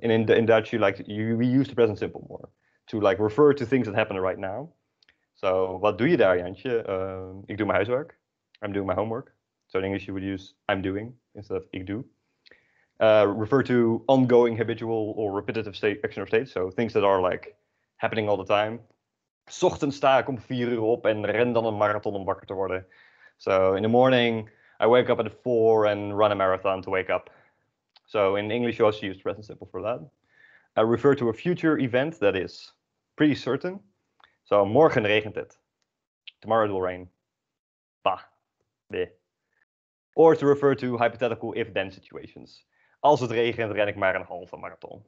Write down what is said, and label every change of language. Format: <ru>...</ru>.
<en>And in Dutch, we use the present simple more to like refer to things that happen right now. So what do you there, Jantje?</en> <nl>Ik doe mijn huiswerk.</nl> <en>I'm doing my homework. So in English, you would use I'm doing instead of ik do. Refer to ongoing habitual or repetitive state, action or state. So things that are like happening all the time.</en> <nl>'S ochtends sta ik om 4 uur op en ren dan een marathon om wakker te worden.</nl> <en>So in the morning, I wake up at 4 and run a marathon to wake up. So in English, you also use present simple for that. I refer to a future event that is pretty certain. So</en> <nl>morgen regent het.</nl> <en>Tomorrow it will rain. Bah. Bleh. Or to refer to hypothetical if-then situations.</en> <nl>Als het regent, ren ik maar een halve marathon.</nl>